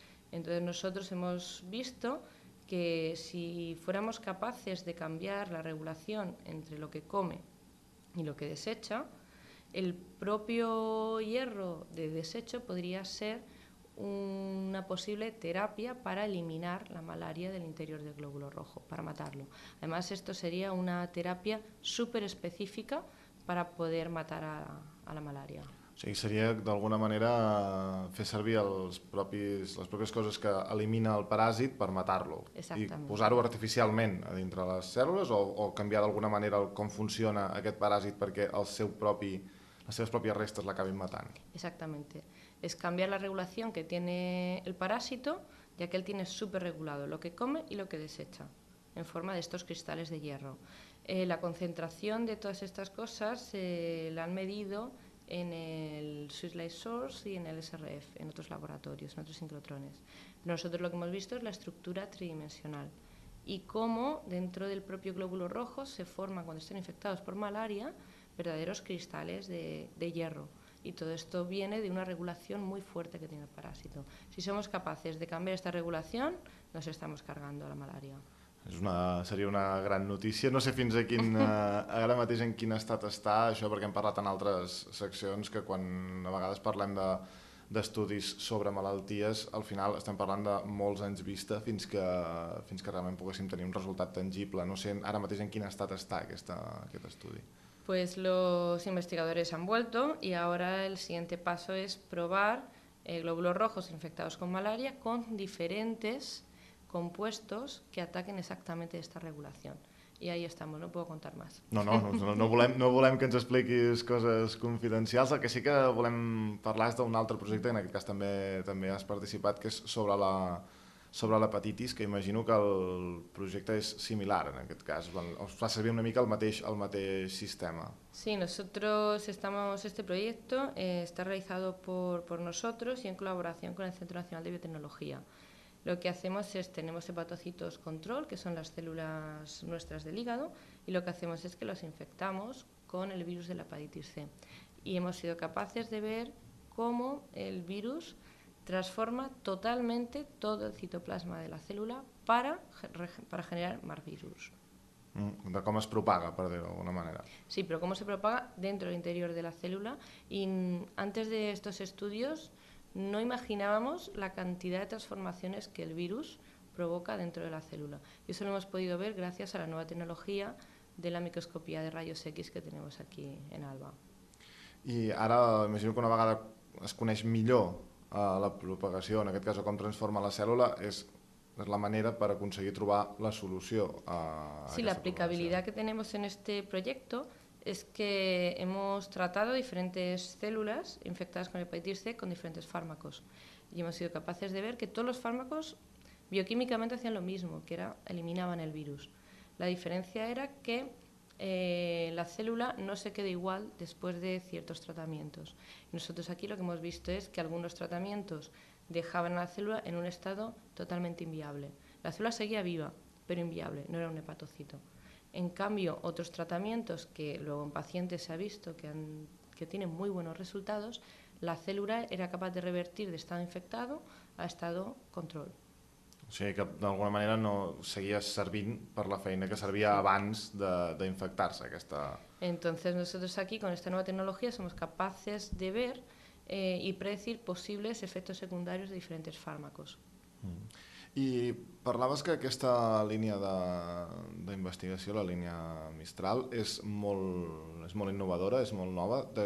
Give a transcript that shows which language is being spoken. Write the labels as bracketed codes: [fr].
[es] Entonces nosotros hemos visto que si fuéramos capaces de cambiar la regulación entre lo que come y lo que desecha, el propio hierro de desecho podría ser una posible terapia para eliminar la malaria del interior del glóbulo rojo, para matarlo. Además, esto sería una terapia súper específica para poder matar a la malaria. [ca] O sigui, seria d'alguna manera fer servir les pròpies coses que elimina el paràsit per matar-lo i posar-ho artificialment a dintre les cèl·lules o canviar d'alguna manera com funciona aquest paràsit perquè les seves pròpies restes l'acabin matant. [es] Exactamente. Es cambiar la regulación que tiene el parásito, ya que él tiene súper regulado lo que come y lo que desecha, en forma de estos cristales de hierro. La concentración de todas estas cosas la han medido en el Swiss Life Source y en el SRF, en otros laboratorios, en otros sincrotrones. Nosotros lo que hemos visto es la estructura tridimensional y cómo dentro del propio glóbulo rojo se forman, cuando están infectados por malaria, verdaderos cristales de hierro. Y todo esto viene de una regulación muy fuerte que tiene el parásito. Si somos capaces de cambiar esta regulación, nos estamos cargando la malaria. [ca] Seria una gran notícia. No sé fins a quin, ara mateix en quin estat està això, perquè hem parlat en altres seccions que quan a vegades parlem d'estudis sobre malalties, al final estem parlant de molts anys vista fins que realment poguéssim tenir un resultat tangible. No sé ara mateix en quin estat està aquest estudi. [es] Pues los investigadores han vuelto y ahora el siguiente paso es probar glóbulos rojos infectados con malaria con diferentes compuestos que ataquen exactamente esta regulación. Y ahí estamos, no puedo contar más. [ca] No volem que ens expliquis coses confidencials. El que sí que volem parlar és d'un altre projecte, en aquest cas també has participat, que és sobre l'hepatitis, que imagino que el projecte és similar en aquest cas, us fa servir una mica el mateix sistema. [es] Sí, este proyecto está realizado por nosotros y en colaboración con el Centro Nacional de Biotecnología. Lo que hacemos es, tenemos hepatocitos control, que son las células nuestras del hígado, y lo que hacemos es que los infectamos con el virus de la hepatitis C. Y hemos sido capaces de ver cómo el virus transforma totalmente todo el citoplasma de la célula para generar más virus. De cómo se propaga, por decirlo de alguna manera. Sí, pero cómo se propaga dentro del interior de la célula. Y antes de estos estudios no imaginábamos la cantidad de transformaciones que el virus provoca dentro de la célula. Y eso lo hemos podido ver gracias a la nueva tecnología de la microscopía de rayos X que tenemos aquí en Alba. Y ahora imagino que [ca] una vegada es coneix millor la propagació, en aquest cas com transforma la cèl·lula, és la manera per aconseguir trobar la solució a Sí, l'aplicabilitat que tenim en aquest projecte és que hem tractat diferents cèl·lules infectades amb hepatitis C amb diferents fàrmacos i hem sigut capaces de veure que tots els fàrmacos bioquímicament feien el mateix, que era eliminaven el virus. La diferència era que [es] la célula no se queda igual después de ciertos tratamientos. Nosotros aquí lo que hemos visto es que algunos tratamientos dejaban a la célula en un estado totalmente inviable. La célula seguía viva, pero inviable, no era un hepatocito. En cambio, otros tratamientos que luego en pacientes se ha visto que tienen muy buenos resultados, la célula era capaz de revertir de estado infectado a estado control. [ca] O sigui que d'alguna manera no seguia servint per la feina que servia abans d'infectar-se aquesta... [es] Entonces nosotros aquí con esta nueva tecnología somos capaces de ver y predecir posibles efectos secundarios de diferentes fármacos. [ca] I parlaves que aquesta línia d'investigació, la línia Mistral, és molt innovadora, és molt nova.